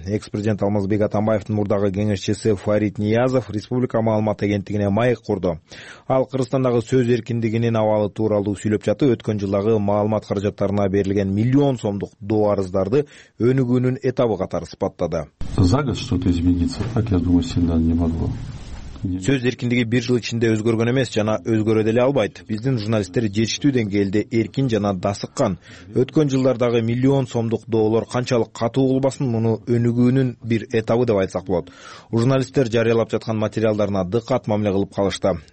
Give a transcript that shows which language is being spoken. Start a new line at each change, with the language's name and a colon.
Kyrgyz: Экс-президент Алмазбек Атамбаевдин мурдагы кеңешчиси Фарид Ниязов Республика маалымат агенттигине майык курду. Ал Кыргызстандагы сөз эркиндигинин абалы тууралуу сүйлөп жатып, өткөн жылдагы маалымат каражаттарына берилген миллион сомдук доо арыздарды өнүгүүнүн этабы катары сыпаттады.
Russian: За год что-то изменится, так я думаю, сильно не могло.
Kyrgyz: Сөз эркиндиги бир жыл ичинде өзгөргөн эмес жана өзгөрө деле албайт. Биздин журналисттер жетиштүү деңгээлде эркин жана дасыккан. Өткөн жылдардагы миллион сомдук доолор канчалык катуу кулбасын, муну өнүгүүнүн бир этабы деп айтсак болот. Журналисттер жарыялап жаткан материалдарына дыкат мамиле кылып калышты.